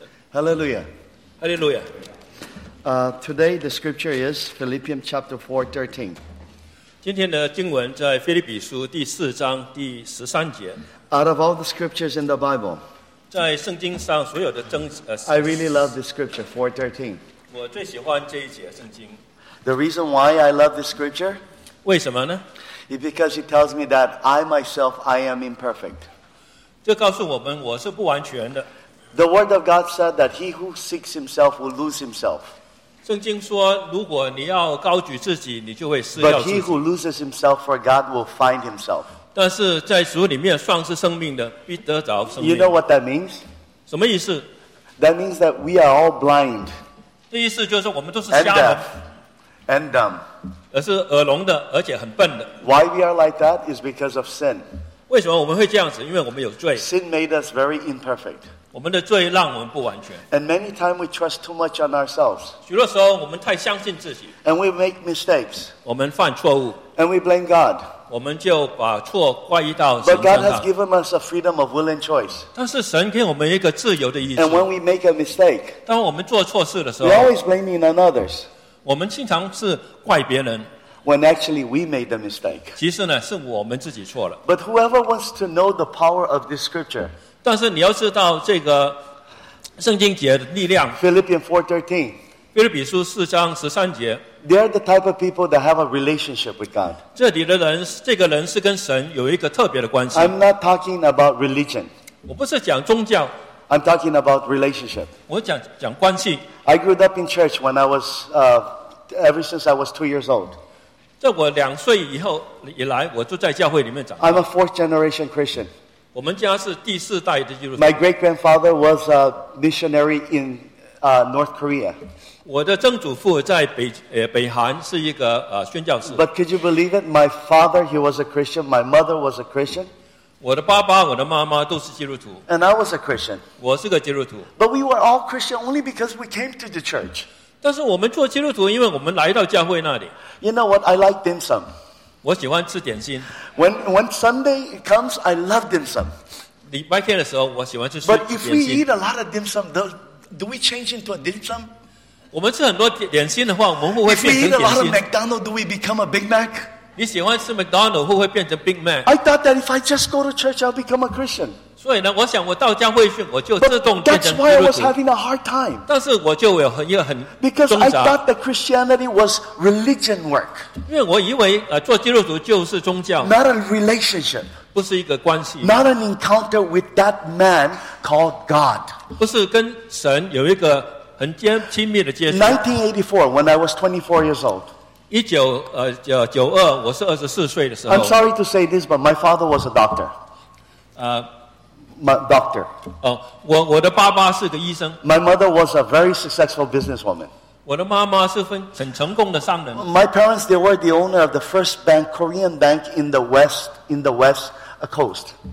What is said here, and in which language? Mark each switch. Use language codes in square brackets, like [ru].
[en] Hallelujah. Hallelujah. Today the scripture is Philippians chapter 4:13. [zh] 今天的经文在腓立比书第四章第十三节。 [en] Out of all the scriptures in the Bible, [zh] 在圣经上所有的真 [en] I really love this scripture 4:13. [zh] 我最喜欢这一节圣经。 [en] The reason why I love this scripture? [zh] 为什么呢？ [en] Is because it tells me that I myself I am imperfect. [zh] 这告诉我们我是不完全的。 [en] The word of God said that he who seeks himself will lose himself. [zh] 圣经说，如果你要高举自己，你就会失掉自己。 [en] But he who loses himself for God will find himself. [zh] 但是在主里面丧失生命的，必得着生命。 [en] You know what that means? [zh] 什么意思？ [en] That means that we are all blind. [zh] 这意思就是我们都是瞎的。 [en] And deaf. And dumb. [zh] 而是耳聋的，而且很笨的。 [en] Why we are like that is because of sin. [zh] 为什么我们会这样子？因为我们有罪。 [en] Sin made us very imperfect. [zh] 我们的罪让我们不完全。 [en] And many times we trust too much on ourselves. [zh] 许多时候我们太相信自己。 [en] And we make mistakes. [zh] 我们犯错误。 [en] And we blame God. [zh] 我们就把错怪到神上。 [en] But God has given us a freedom of will and choice. [zh] 但是神给我们一个自由的意志。 [en] And when we make a mistake, [zh] 当我们做错事的时候 [en] we always blame on others. [zh] 我们经常是怪别人。 [en] When actually we made the mistake. [zh] 其实呢是我们自己错了。 [en] But whoever wants to know the power of this scripture, [zh] 但是你要知道这个圣经节的力量。 [en] Philippians 4:13. [zh] 腓立比书四章十三节。 [en] They are the type of people that have a relationship with God. [zh] 这里的人，这个人是跟神有一个特别的关系。 [en] I'm not talking about religion. [zh] 我不是讲宗教。 [en] I'm talking about relationship. [zh] 我讲关系。 [en] I grew up in church when I was ever since I was 2 years old. [zh] 在我两岁以后以来，我就在教会里面长大。 [en] I'm a fourth generation Christian. [zh] 我们家是第四代的基督徒。 [en] My great grandfather was a missionary in North Korea. [zh] 我的曾祖父在北韩是一个宣教士。 [en] But could you believe it? My father, he was a Christian. My mother was a Christian. [zh] 我的爸爸、我的妈妈都是基督徒。 [en] And I was a Christian. [zh] 我是个基督徒。 [en] But we were all Christian only because we came to the church. [zh] 但是我们做基督徒，因为我们来到教会那里。 [en] You know what? I like dim sum. [zh] 我喜欢吃点心。 [en] When Sunday comes, I love dim sum. [zh] 礼拜天的时候，我喜欢吃点心。 [en] But if we eat a lot of dim sum, do we change into a dim sum? [zh] 我们吃很多点心的话，我们会变成点心。 [en] If we eat a lot of McDonald's, do we become a Big Mac? [zh] 你喜欢吃 McDonald's, 会变成 Big Mac? [en] I thought that if I just go to church, I'll become a Christian. [zh] 所以呢，我想我到教会去，我就自动变成基督徒。 [en] That's why I was having a hard time. [zh] 但是我就有很一个很挣扎。 [en] Because I thought that Christianity was religion work. [zh] 因为我以为做基督徒就是宗教。 [en] Not a relationship. [zh] 不是一个关系。 [en] Not an encounter with that man called God. [zh] 不是跟神有一个很亲密的接触。 [en] 1984, when I was 24 years old. [zh] 1992, 我是24岁的时候。 [en] I'm sorry to say this, but my father was a doctor. My doctor. [zh] 我的爸爸是个医生。 [en] My mother was a very successful businesswoman. [zh] 我的妈妈是很成功的商人。 [en] My parents, they were the owner of the first bank, Korean bank in the West coast.